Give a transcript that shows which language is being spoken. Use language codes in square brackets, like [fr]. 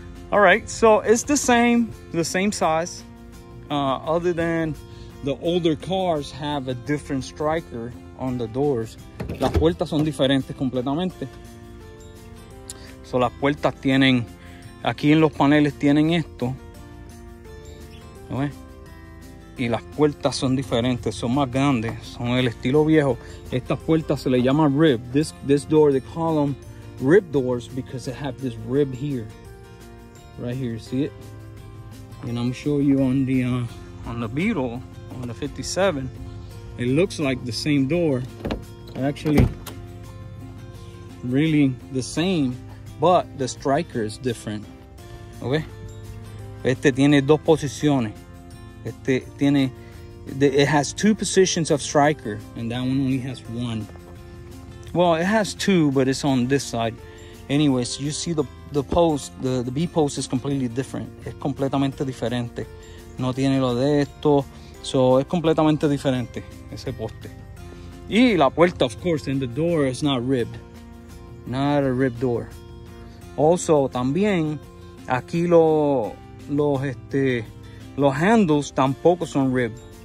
[en] All right, so it's the same size, other than the older cars have a different striker on the doors. [es] Las puertas son diferentes completamente. So las puertas tienen, aquí en los paneles tienen esto. ¿No ves? Y las puertas son diferentes, son más grandes, son el estilo viejo. Estas puertas se le llama rib. [en] This door, they call them rib doors because they have this rib here. Right here, see it? And I'm showing you on the Beetle, on the 57, it looks like the same door. Actually, really the same, but the striker is different. Okay? [es] Este tiene dos posiciones. [en] It has two positions of striker, and that one only has one. Well, it has two, but it's on this side. Anyways, you see the post, the B post is completely different. [es] Es completamente diferente. No tiene lo de esto. So, es completamente diferente ese poste. Y la puerta, [en] of course, and the door is not ribbed. Not a ribbed door. [es] Also, también, aquí los handles tampoco son ribbed.